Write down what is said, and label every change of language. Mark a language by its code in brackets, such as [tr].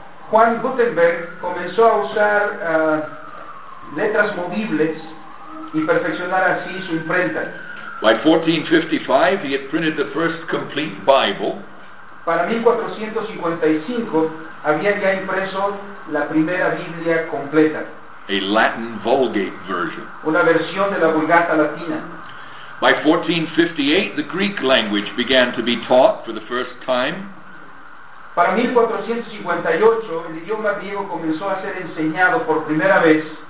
[es] Juan Gutenberg comenzó a usar letras movibles y perfeccionar así su imprenta. [en] By 1455, he had printed the first complete Bible. [es] Para 1455, había ya impreso la primera Biblia completa. [en] A Latin Vulgate version. [es] Una versión de la Vulgata Latina. [en] By 1458, the Greek language began to be taught for the first time. [es] Para 1458, el idioma griego comenzó a ser enseñado por primera vez